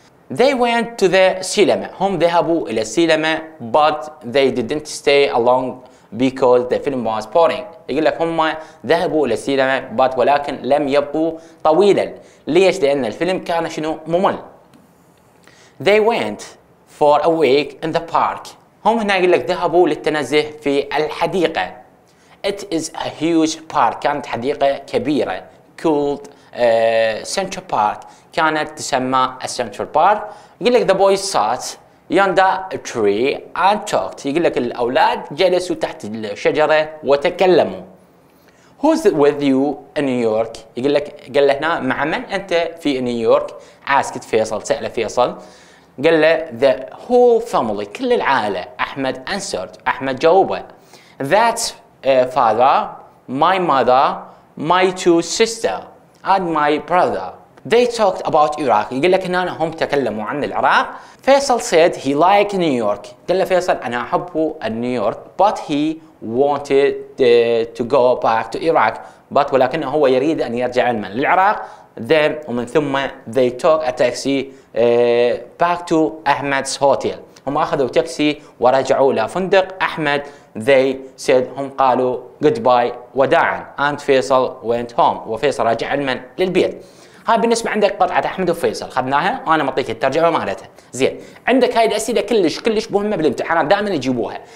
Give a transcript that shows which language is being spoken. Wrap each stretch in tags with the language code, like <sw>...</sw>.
<en>They went to the cinema، هم ذهبوا إلى السينما، but they didn't stay long because the film was boring.</en> <ar>يقول لك هم ذهبوا إلى السينما but ولكن لم يبقوا طويلا. ليش؟ لأن الفيلم كان شنو؟ ممل.</ar> <en>They went for a week in the park.</en> <ar>هم هنا يقول لك ذهبوا للتنزه في الحديقة.</ar> <en>It is a huge park. كانت حديقة كبيرة. Called Central Park.</en> <ar>كانت تسمى Central Park.</ar> <en>يقول لك the boys sat under a tree and talked.</en> <ar>يقول لك الأولاد جلسوا تحت الشجرة وتكلموا. Who's with you in New York؟ يقول لك قال لهنا مع من أنت في نيويورك؟ Asked فيصل، سأل فيصل. قال له the whole family، كل العائلة. أحمد answered، أحمد جاوبه.</ar> <en>That's father, my mother, my two sisters and my brother. They talked about Iraq.</en> <ar>يقول لك هنا هم تكلموا عن العراق. فيصل said he liked New York.</ar> <en>قال له فيصل أنا أحب New York but he wanted to go back to Iraq.</en> <ar>But ولكن هو يريد أن يرجع من العراق.</ar> <en>Then ومن ثم they took a taxi back to Ahmed's hotel.</en> <ar>هم أخذوا تاكسي ورجعوا لفندق أحمد.</ar> <en>They said هم قالوا goodbye وداعا.</en> <ar>And فيصل went home. وفيصل رجع من للبيت. هاي بالنسبة عندك قطعة أحمد وفيصل خذناها وأنا معطيك الترجمة مالتها. زين، عندك هاي الأسئلة كلش كلش مهمة بالامتحانات، دائما يجيبوها.</ar>